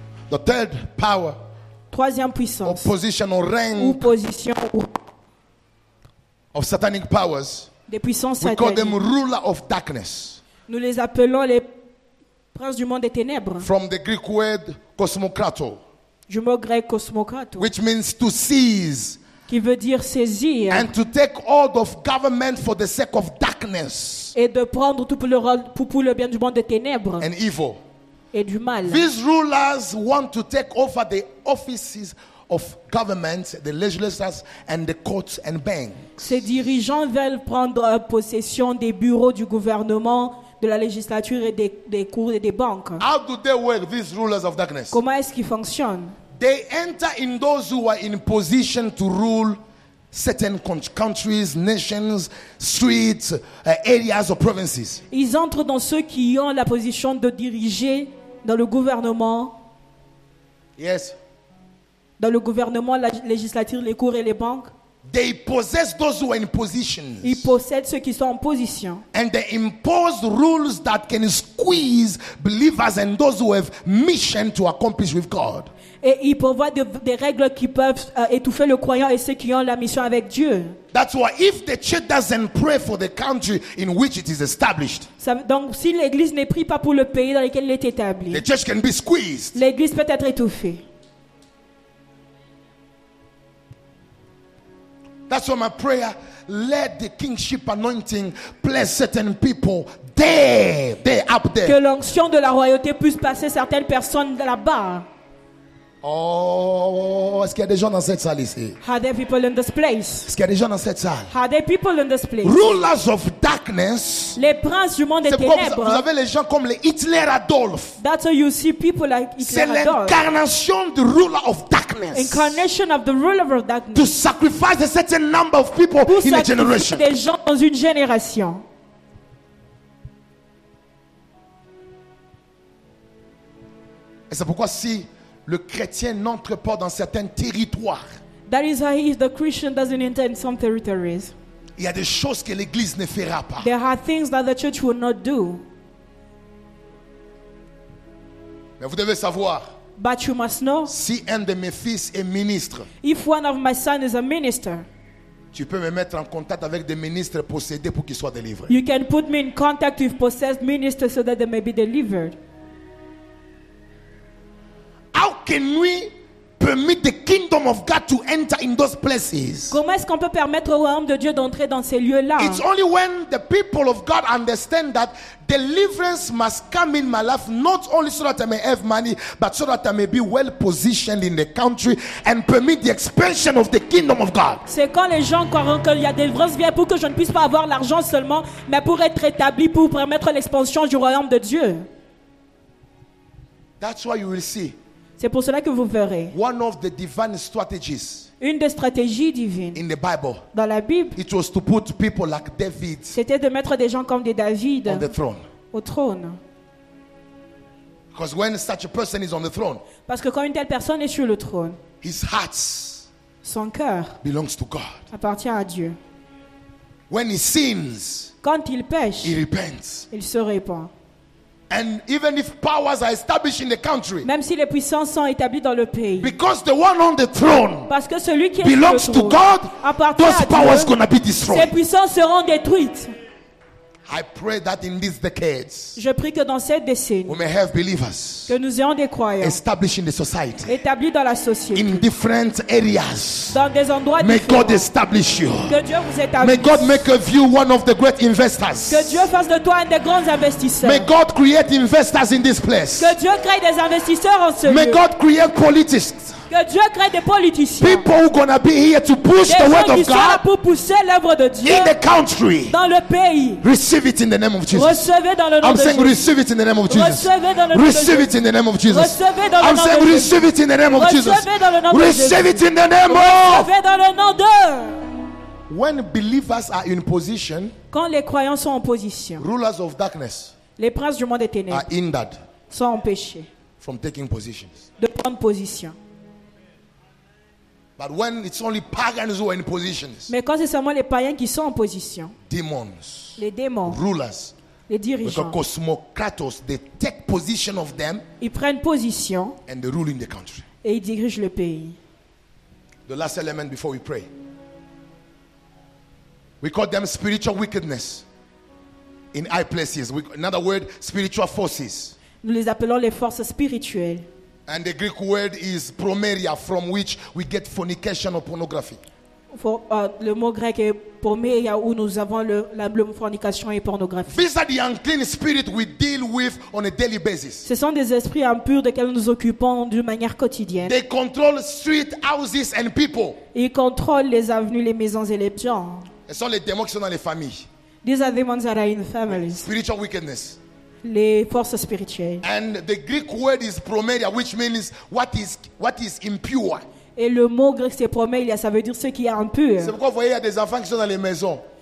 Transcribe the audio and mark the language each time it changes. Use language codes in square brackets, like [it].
[en] The third power. [fr] Troisième puissance. [en] Opposition or rank. [fr] Ou position. [en] Of satanic powers. [fr] Des puissances sataniques. [en] We call them ruler of darkness. [fr] Nous les appelons les princes du monde des ténèbres. [en] From the Greek word kosmokrato. [fr] Du mot grec kosmokrato. [en] Which means to seize. [fr] Qui veut dire saisir. [en] And to take hold of government for the sake of darkness. [fr] Et de prendre tout pour le bien du monde des ténèbres. [en] And evil. [fr] Et du mal. [en] These rulers want to take over the offices of government, the legislatures and the courts and banks. [fr] Ces dirigeants veulent prendre possession des bureaux du gouvernement, de la législature et des cours et des banques. [en] How do they work, these rulers of darkness? [fr] Comment est-ce qu'ils fonctionnent? [en] They enter in those who are in position to rule certain countries, nations, streets, areas or provinces. [fr] Ils entrent dans ceux qui ont la position de diriger dans le gouvernement. [en] Yes. [fr] Dans le gouvernement, la législature, les cours et les banques. [en] They possess those who are in positions. [fr] Ils possèdent ceux qui sont en position. [en] And they impose rules that can squeeze believers and those who have mission to accomplish with God. [fr] Et ils prévoient des règles qui peuvent étouffer le croyant et ceux qui ont la mission avec Dieu. [en] That's why if the church doesn't pray for the country in which it is established. [fr] Donc si l'église ne prie pas pour le pays dans lequel elle est établie. [en] The church can be squeezed. [fr] L'église peut être étouffée. [en] That's why my prayer, let the kingship anointing bless certain people there, up there. [fr] Que l'onction de la royauté puisse passer certaines personnes là-bas. Oh, est-ce qu'il y a des gens dans cette salle ici? [en] Are there people in this place? [fr] Est-ce qu'il y a des gens dans cette salle? [en] Are there people in this place? Rulers of darkness. [fr] Les princes du monde des ténèbres. Vous avez les gens comme les Hitler Adolf. [en] That's how you see people like Hitler. [fr] C'est Adolf. L'incarnation du [en] ruler of darkness. Incarnation of the ruler of darkness. To sacrifice a certain number of people [fr] pour [en] in a generation. [fr] Des gens dans une génération. Et c'est pourquoi si le chrétien n'entre pas dans certains territoires. [en] That is why if the Christian doesn't enter in some territories. [fr] Il y a des choses que l'église ne fera pas. [en] There are things that the church will not do. [fr] Mais vous devez savoir. [en] But you must know. [fr] Si un de mes fils est ministre. [en] If one of my sons is a minister. [fr] Tu peux me mettre en contact avec des ministres possédés pour qu'ils soient délivrés. [en] You can put me in contact with possessed ministers so that they may be delivered. Can we permit the kingdom of God to enter in those places? [fr] Comment est-ce qu'on peut permettre au royaume de Dieu d'entrer dans ces lieux-là? [en] It's only when the people of God understand that deliverance must come in my life, not only so that I may have money, but so that I may be well positioned in the country and permit the expansion of the kingdom of God. [fr] C'est quand les gens croiront que la délivrance vient pour que je ne puisse pas avoir l'argent seulement, mais pour être établi, pour permettre l'expansion du royaume de Dieu. [en] That's why you will see. [fr] C'est pour cela que vous verrez. [en] One of the divine strategies. [fr] Une des stratégies divines. [en] In the Bible. [fr] Dans la Bible. [en] It was to put people like David. [fr] C'était de mettre des gens comme des David. [en] On the throne. [fr] Au trône. [en] Because when such a person is on the throne. [fr] Parce que quand une telle personne est sur le trône. [en] His heart. [fr] Son cœur. [en] Belongs to God. [fr] Appartient à Dieu. [en] When he sins. [fr] Quand il pêche. [en] He repents. [fr] Il se repent. [en] And even if powers are established in the country, [fr] même si les puissances sont établies dans le pays, [en] because the one on the throne, [fr] parce que celui qui [en] belongs [fr] est sur le trône, [en] to God, those powers gonna be destroyed. [fr] Ces puissances seront détruites. [en] I pray that in these decades, [fr] je prie que dans cette décennie, [en] we may have believers, [fr] que nous ayons des croyants, [en] established in the society, [fr] établis dans la société, [en] in different areas, [fr] dans des endroits [en] may [fr] différents. [en] May God establish you. [fr] Que Dieu vous établisse. [en] May God make of you one of the great investors. [fr] Que Dieu fasse de toi un des grands investisseurs. [en] May God create investors in this place. [fr] Que Dieu crée des investisseurs en ce lieu. [en] May God create politicians. [fr] Que Dieu crée des politiciens. [en] People who are gonna be here to push [fr] des [en] the word of God. [fr] Pour pousser l'œuvre de Dieu. [en] In the country. [fr] Dans le pays. [en] Receive it in the name of Jesus. [fr] Recevez dans le nom [en] I'm [fr] de [en] saying [fr] Jésus. [en] Receive it in the name of Jesus. [fr] Recevez dans le nom [en] receive [fr] de Jésus. [en] It in the name of Jesus. [fr] Recevez dans le [en] I'm [fr] nom [en] saying [fr] de [en] receive [fr] Jésus. [en] It in the name of [fr] recevez [en] Jesus. [fr] Recevez dans le nom [en] receive [fr] de Jésus. [en] Receive it in the name [fr] recevez [en] of. [fr] Recevez dans le nom de. [en] When believers are in position. [fr] Quand les croyants sont en position. [en] Rulers of darkness. [fr] Les princes du monde des ténèbres. [en] Are hindered. [fr] Sont empêchés. [en] From taking positions. [fr] De prendre position. [en] But when it's only pagans who are in positions. [fr] Mais quand c'est seulement les païens qui sont en position. [en] Demons. [fr] Les démons. [en] Rulers. [fr] Les dirigeants. [en] Because cosmocratos, they take position of them. [fr] Ils prennent position. [en] And they rule in the country. [fr] Et ils dirigent le pays. [en] The last element before we pray. We call them spiritual wickedness. In high places. In other words, spiritual forces. [fr] Nous les appelons les forces spirituelles. [en] And the Greek word is promeria, from which we get fornication or pornography. [fr] For, le mot grec est promeria, où nous avons le fornication et pornographie. [en] These are the unclean spirits we deal with on a daily basis. [fr] Ce sont des esprits impurs de quels nous nous occupons d'une manière quotidienne. [en] They control street houses and people. [fr] Ils contrôlent les avenues, les maisons et les gens. Ce sont les démons qui sont dans les familles. [en] These are demons that are in families. Spiritual wickedness. [fr] Les forces spirituelles. [en] And the Greek word is promeria, which means what is impure. [fr] Et le mot grec c'est promeria, ça veut dire ce qui est impur. C'est pourquoi vous voyez il y a des enfants qui sont dans les maisons.